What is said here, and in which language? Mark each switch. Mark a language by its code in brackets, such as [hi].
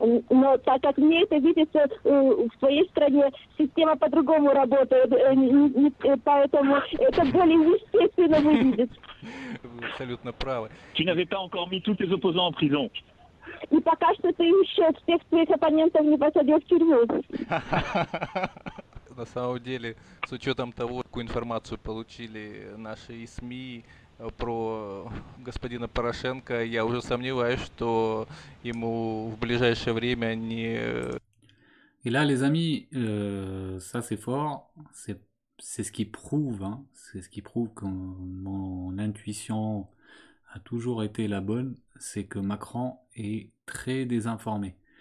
[ru] Но так как мне это видится, в своей стране система по-другому работает, поэтому это более естественно выглядит. Вы абсолютно правы. [fr] Tu n'avais pas encore mis tous tes opposants en prison. [ru] И пока что ты еще всех своих оппонентов не посадил в тюрьму. На самом деле, с учетом того, какую информацию получили наши СМИ про господина Порошенко, я уже сомневаюсь, что ему в ближайшее время не... [fr] Et là, les amis, ça c'est fort, c'est ce qui prouve, hein, c'est ce qui prouve que mon intuition a toujours été la bonne, c'est que Macron est très désinformé.